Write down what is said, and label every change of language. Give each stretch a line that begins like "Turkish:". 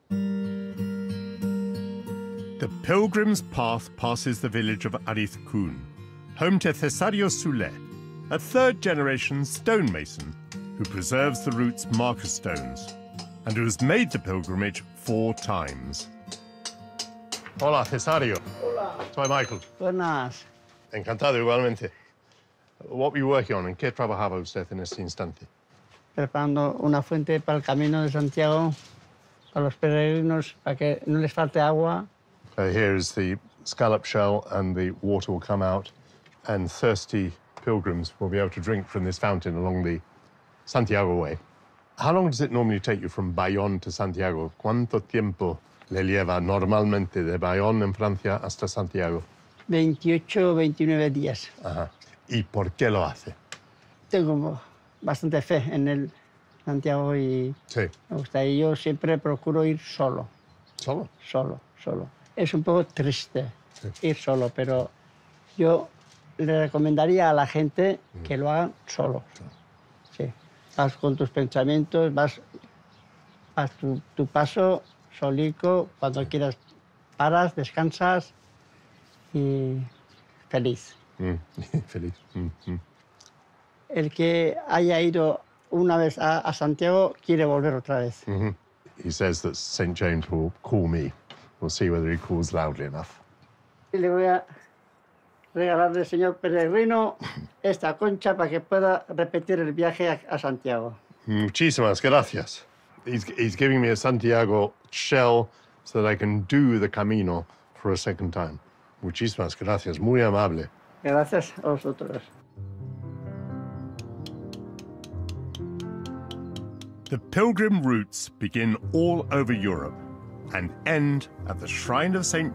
English: The pilgrim's path passes the village of Arizcun, home to Cesario Sule, a third-generation stonemason who preserves the route's marker stones and who has made the pilgrimage four times.
Spanish: Hola, Cesario. Hola. Soy Michael. Buenas. Encantado, igualmente.
English: What were you working on and
Spanish: qué trabajaba usted en este instante? Preparando una fuente para el camino de Santiago para los peregrinos para que no les falte agua.
English: Here is the scallop shell, and the water will come out, and thirsty pilgrims will be able to drink from this fountain along the Santiago Way. How long does it normally take you from Bayonne to Santiago?
Spanish: ¿Cuánto tiempo le lleva normalmente de Bayonne en Francia hasta Santiago? 28 o 29 días. Ajá. ¿Y por qué lo hace? Tengo bastante fe en el Santiago y sí. Me gusta. Y yo siempre procuro ir solo. ¿Solo? Solo, solo. Es un poco triste sí. Ir solo, pero yo le recomendaría a la gente que lo hagan solo. Sí. Vas con tus pensamientos, vas tu paso solico, cuando quieras paras, descansas y feliz. Feliz. El que haya ido una vez a Santiago quiere volver otra vez.
English: He says that St. James will call me. We'll see whether he calls loudly enough.
Spanish: Le voy a regalar al señor peregrino esta concha para que pueda repetir el viaje a Santiago. Muchísimas gracias.
English: He's giving me a Santiago shell so that I can do the camino for a second time.
Spanish: Muchísimas gracias. Muy amable. Gracias a vosotros.
English: The pilgrim routes begin all over Europe and end at the Shrine of St.